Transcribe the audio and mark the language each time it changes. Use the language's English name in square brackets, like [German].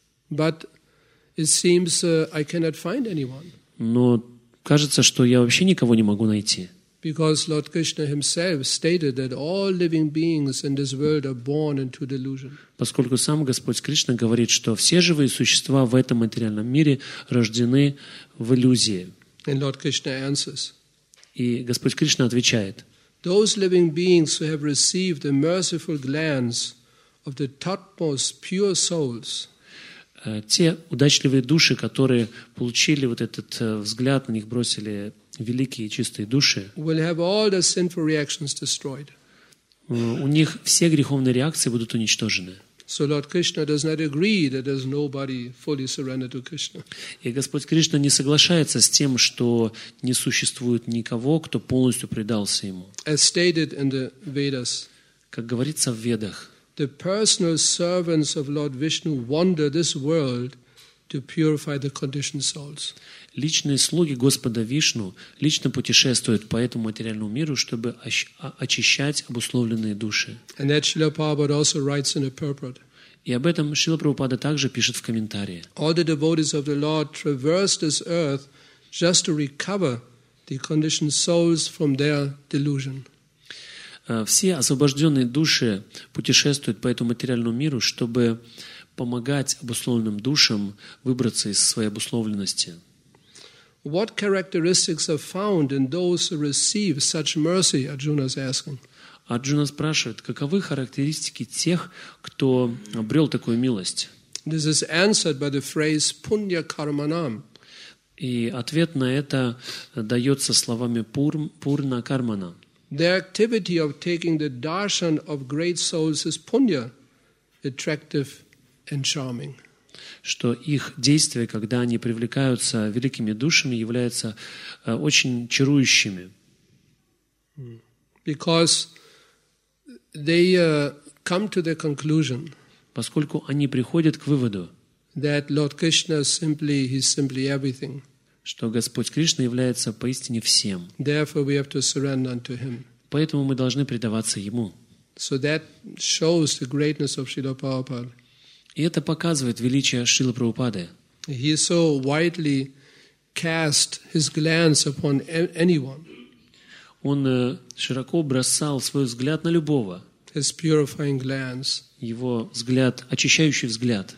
[English] But it seems I cannot find anyone. [Russian] Но кажется, что я вообще никого не могу найти. [English] Because Lord Krishna himself stated that all living beings in this world are born into delusion. [Russian] Поскольку сам Господь Кришна говорит, что все живые существа в этом материальном мире рождены в иллюзии. [English] And Lord Krishna answers. [Russian] И Господь Кришна отвечает. [English] Those living beings who have received the merciful glance of the topmost pure souls. [Russian] Те удачливые души, которые получили вот этот взгляд, на них бросили великие чистые души, [English] will have all the sinful reactions destroyed. [Russian] У них все греховные реакции будут уничтожены. [English] So Lord Krishna does not agree that there's nobody fully surrendered to Krishna. [Russian] И Господь Кришна не соглашается с тем, что не существует никого, кто полностью предался ему. [English] As stated in the Vedas, [Russian] как говорится в Ведах, [English] the personal servants of Lord Vishnu wander this world to purify the conditioned souls. [Russian] Личные слуги Господа Вишну лично путешествуют по этому материальному миру, чтобы очищать обусловленные души. [English] And that Srila Prabhupada also writes in a purport. [Russian] И об этом Шрила Прабхупада также пишет в комментарии. [English] All the devotees of the Lord traverse this earth just to recover the conditioned souls from their delusion. [Russian] Все освобожденные души путешествуют по этому материальному миру, чтобы помогать обусловленным душам выбраться из своей обусловленности. [English] What characteristics are found in those who receive such mercy? Arjuna is asking. [Russian] Arjuna спрашивает, каковы характеристики тех, кто обрел такую милость? [English] This is answered by the phrase punya karmanam. [Russian] И ответ на это дается словами пурна кармана. [English] The activity of taking the darshan of great souls is punya, attractive and charming. [Russian] Что их действия, когда они привлекаются великими душами, являются очень чарующими. [English] Because they come to the conclusion, [Russian] поскольку они приходят к выводу, [English] that Lord Krishna simply, he's simply everything. [Russian] Что Господь Кришна является поистине всем. [English] Therefore we have to surrender unto him. [Russian] Поэтому мы должны предаваться ему. [English] So that shows the greatness of Srila Prabhupada. [Russian] И это показывает величие Шрилы Прабхупады. [English] He so widely cast his glance upon anyone. [Russian] Он широко бросал свой взгляд на любого. [English] His purifying glance. [Russian] Его взгляд, очищающий взгляд.